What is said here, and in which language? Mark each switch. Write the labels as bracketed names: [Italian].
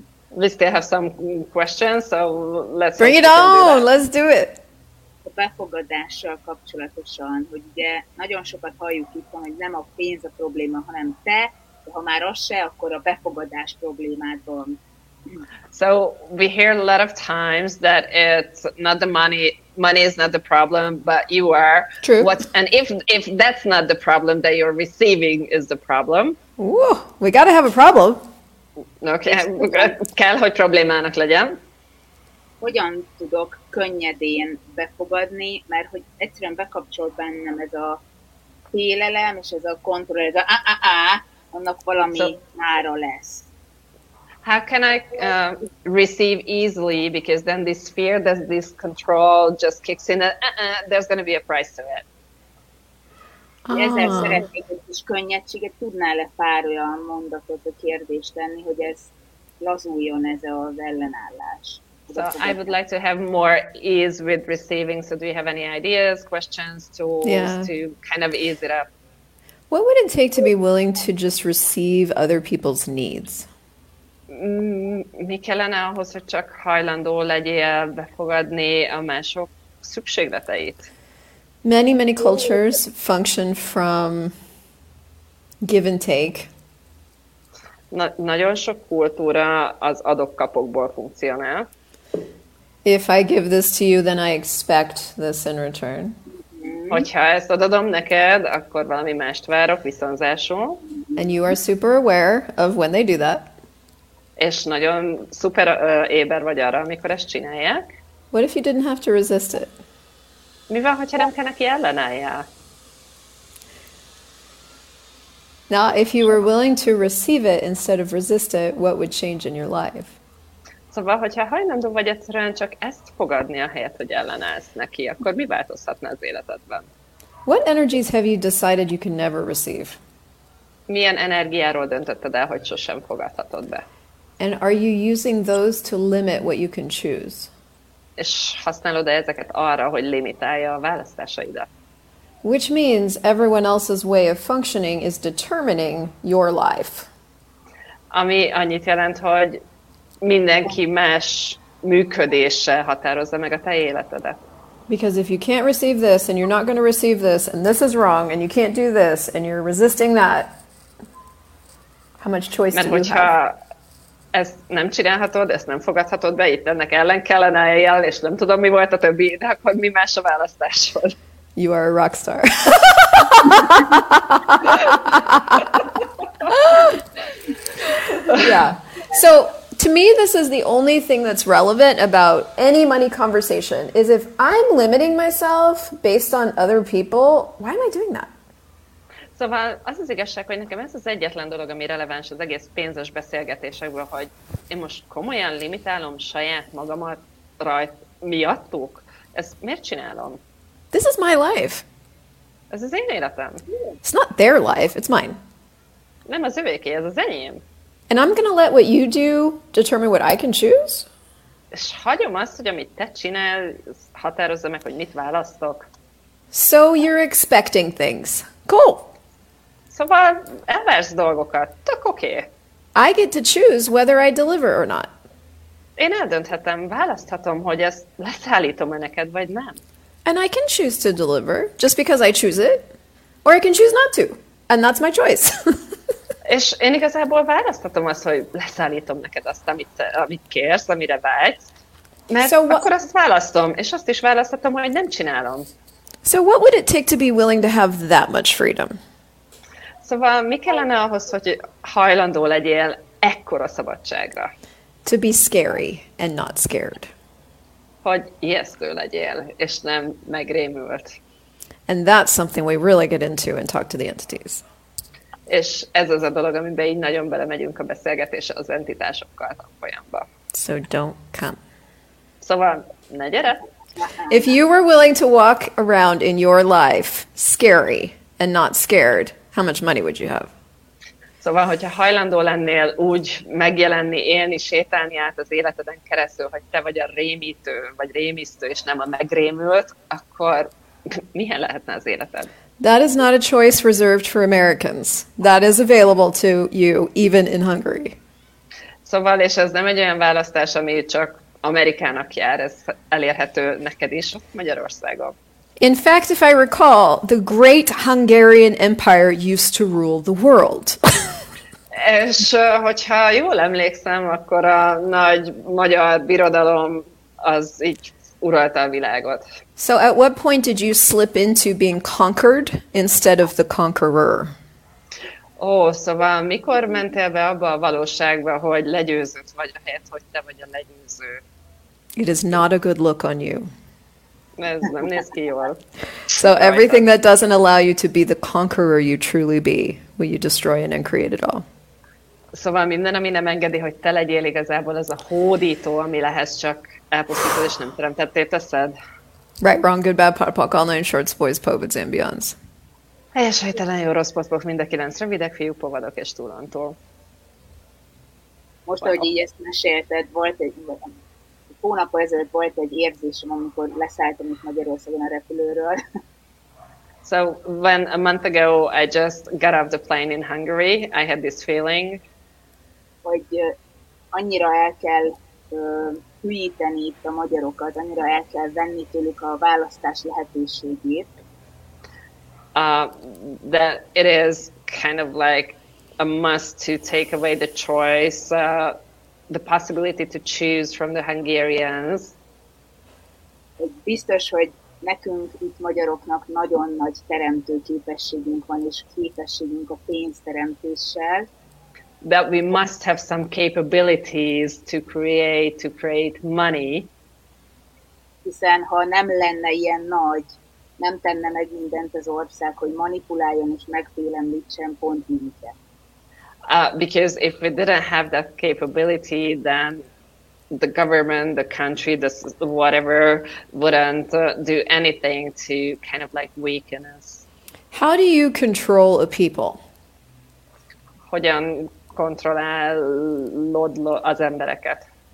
[English] We still have some questions, so let's bring it on. Let's do it. [Hungarian] A befogadással kapcsolatosan, hogy ugye nagyon sokat halljuk itt, hogy nem a pénz a probléma, hanem te, ha már az se, akkor a befogadás problémád van. [English] So we hear a lot of times that it's not the money is not the problem, but you are. True. And if that's not the problem, that you're receiving is the problem. Ooh, we got to have a problem. [Hungarian] Okay, kell, hogy problémának legyen. Hogyan tudok könnyedén befogadni, mert hogy egyszerűen bekapcsolt bennem ez a félelem, és ez a kontroll, ez a annak valami ára lesz. [English] How can I receive easily? Because then this fear, this control just kicks in. There's going to be a price to it. [Hungarian] Ezért szeretnék egy kis könnyedséget. Tudnál-e pár olyan mondatot, a kérdést tenni, hogy ez lazuljon, ez az ellenállás? [English] So I would like to have more ease with receiving. So do you have any ideas, questions, tools to kind of ease it up? What would it take to be willing to just receive other people's needs? [Hungarian] Mi kellene ahhoz, hogy csak hajlandó legyél befogadni a mások szükségleteit? [English] Many, many cultures function from give and take. [Hungarian] Nagyon sok kultúra az adok-kapokból funkcionál. [English] If I give this to you, then I expect this in return. [Hungarian] Hogyha ezt adom neked, akkor valami mást várok viszonzásul. [English] And you are super aware of when they do that. [Hungarian] És nagyon szuper éber vagy arra, amikor ezt csinálják. [English] What if you didn't have to resist it? [Hungarian] Mi van, hogyha nem kell neki ellenálljál? [English] Now, if you were willing to receive it instead of resist it, what would change in your life? So [Hungarian] Szóval, hogyha hajlandó vagy egyszerűen csak ezt fogadni a helyet, hogy ellenállsz neki, akkor mi változhatna az életedben? [English] What energies have you decided you can never receive? [Hungarian] Milyen energiáról döntötted el, hogy sosem fogadhatod be? [English] And are you using those to limit what you can choose? [Hungarian] És használod-e ezeket arra, hogy limitálja a választásaidat? [English] Which means everyone else's way of functioning is determining your life. [Hungarian] Ami annyit jelent, hogy mindenki más működése határozza meg a te életedet. [English] Because if you can't receive this, and you're not going to receive this, and this is wrong, and you can't do this, and you're resisting that, how much choice [Hungarian] Mert [English] do you have? [Hungarian] Ezt nem csinálhatod, ezt nem fogadhatod be, itt ennek ellen kellene eljel, és nem tudom, mi volt a többi, de akkor mi más a választásod? [English] You are a rockstar. Yeah. So, to me, this is the only thing that's relevant about any money conversation, is if I'm limiting myself based on other people, why am I doing that? [Hungarian] Szóval az az igazság, hogy nekem ez az egyetlen dolog, ami releváns az egész pénzes beszélgetésekből, hogy én most komolyan limitálom saját magamat rajt miattuk? Ezt miért csinálom? [English] This is my life. [Hungarian] Ez az én életem. [English] It's not their life, it's mine. [Hungarian] Nem az övéké, ez az enyém. [English] And I'm gonna let what you do determine what I can choose? [Hungarian] És hagyom azt, hogy amit te csinálsz, határozza meg, hogy mit választok. [English] So you're expecting things. Cool. [Hungarian] Szóval elvársz dolgokat. Tök oké. [English] I get to choose whether I deliver or not. [Hungarian] Én eldönthetem, választhatom, hogy ezt leszállítom-e neked, vagy nem. [English] And I can choose to deliver, just because I choose it. Or I can choose not to. And that's my choice. [Hungarian] És én igazából választhatom azt, hogy leszállítom neked azt, amit kérsz, amire vágysz. Mert akkor azt választom, és azt is választhatom, hogy nem csinálom. [English] So what would it take to be willing to have that much freedom? [Hungarian] Szóval mi kellene ahhoz, hogy hajlandó legyél ekkora szabadságra? [English] To be scary and not scared. [Hungarian] Hogy ijesztő legyél, és nem megrémült. [English] And that's something we really get into and talk to the entities. [Hungarian] És ez az a dolog, amiben így nagyon belemegyünk a beszélgetésre az entitásokkal a folyamba. [English] So don't come. [Hungarian] Szóval ne gyere! [English] If you were willing to walk around in your life scary and not scared, how much money would you have? [Hungarian] Szóval, hogyha hajlandó lennél úgy megjelenni, élni, sétálni át az életeden keresztül, hogy te vagy a rémítő, vagy rémisztő, és nem a megrémült, akkor milyen lehetne az életed? [English] That is not a choice reserved for Americans. That is available to you, even in Hungary. [Hungarian] Szóval, és ez nem egy olyan választás, ami csak Amerikának jár, ez elérhető neked is Magyarországon. [English] In fact, if I recall, the great Hungarian Empire used to rule the world. [Hungarian] És hogyha jól emlékszem, akkor a nagy magyar birodalom az így uralta a világot. [English] So at what point did you slip into being conquered instead of the conqueror? [Hungarian] Ó, szóval mikor mentél be abba a valóságba, hogy legyőzött vagy, ahelyett, hogy te vagy a legyőző? [English] It is not a good look on you. [Hungarian] Ez nem néz ki jól. [English] So everything that doesn't allow you to be the conqueror you truly be, will you destroy and create it all? [Hungarian] Szóval minden, ami nem engedi, hogy te legyél igazából ez a hódító, ami lehez csak elpusztítod és nem teremtetté teszed. [English] Right, wrong, good, bad, pop, online, shorts, boys, povids, and beyonds. [Hungarian] Helyes, helytelen, jó, rossz, pop, mind a kilenc, rövidek, fiúk, povadok és túlantól. Most, ahogy így ezt mesélted, volt egy hónap ezelőtt volt egy érzésem, amikor leszálltam itt Magyarországon a repülőről. [English] So, when a month ago I just got off the plane in Hungary, I had this feeling, [Hungarian] hogy annyira el kell hűíteni itt a magyarokat, annyira el kell venni tőlük a választás lehetőségét. [English] That it is kind of like a must to take away the choice, the possibility to choose from the Hungarians. [Hungarian] Biztos, hogy nekünk itt magyaroknak nagyon nagy teremtő képességünk van, és képességünk a pénzteremtéssel. [English] That we must have some capabilities to create money. [Hungarian] Hiszen ha nem lenne ilyen nagy, nem tenne meg mindent az ország, hogy manipuláljon és megfélemlítsen pont minket. [English] Because if we didn't have that capability, then the government, the country, this whatever, wouldn't do anything to kind of like weaken us. How do you control a people? [Hungarian] Hogyan kontrollálod az embereket?